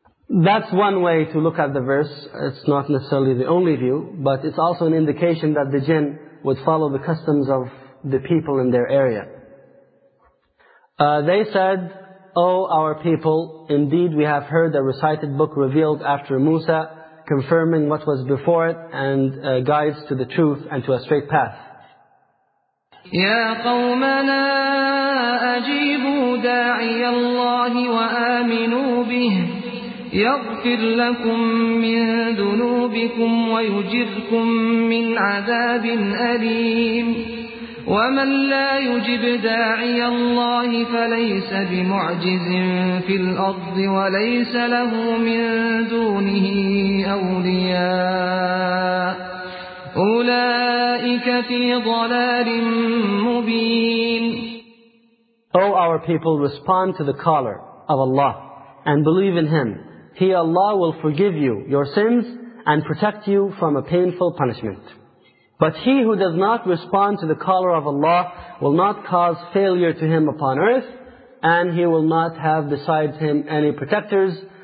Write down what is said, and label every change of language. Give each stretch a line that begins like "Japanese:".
English: That's one way to look at the verse. It's not necessarily the only view, but it's also an indication that the jinn would follow the customs of the people in their area. They said, O our people, indeed we have heard the recited book revealed after Musa, confirming what was before it, and guides to the truth and to a straight path.
Arabic: يا قومنا أجيبوا داعي الله وآمنوا به يغفر لكم من ذنوبكم ويجركم من عذاب أليم ومن لا يجب داعي الله فليس بمعجز في الأرض وليس له من دونه أولياء أُولَٰئِكَ فِي ضَلَالٍ مُّبِينٍ.
English: O our people, respond to the caller of Allah and believe in Him. He, Allah, will forgive you your sins and protect you from a painful punishment. But he who does not respond to the caller of Allah will not cause failure to him upon earth, and he will not have besides him any protectors.